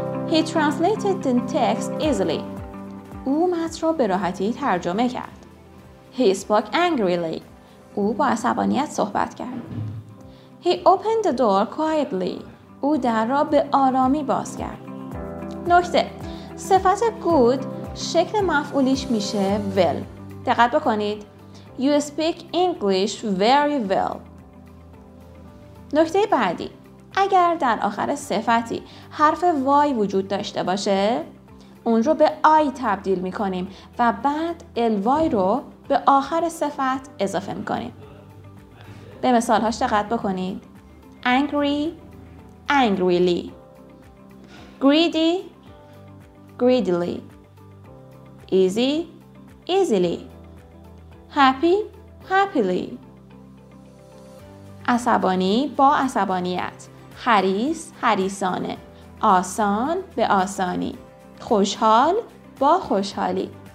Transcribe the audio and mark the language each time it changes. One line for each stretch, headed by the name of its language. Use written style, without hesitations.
English: He translated the text easily.
Persian: او متن را به راحتی ترجمه کرد.
English: He spoke angrily.
Persian: او با عصبانیت صحبت کرد.
English: He opened the door quietly.
Persian: او در را به آرامی باز کرد. نکته. صفت good شکل مفعولیش میشه well. دقت بکنید.
English: You speak English very well.
Persian: نکته بعدی. اگر در آخر صفتی حرف why وجود داشته باشه، اون رو به آی تبدیل می کنیم و بعد الوای رو به آخر صفت اضافه می کنیم. به مثال هاش دقت بکنید.
English: angry angrily greedy greedily easy easily happy happily
Persian: عصبانی با عصبانیت حریص حریصانه آسان به آسانی خوشحال با خوشحالی.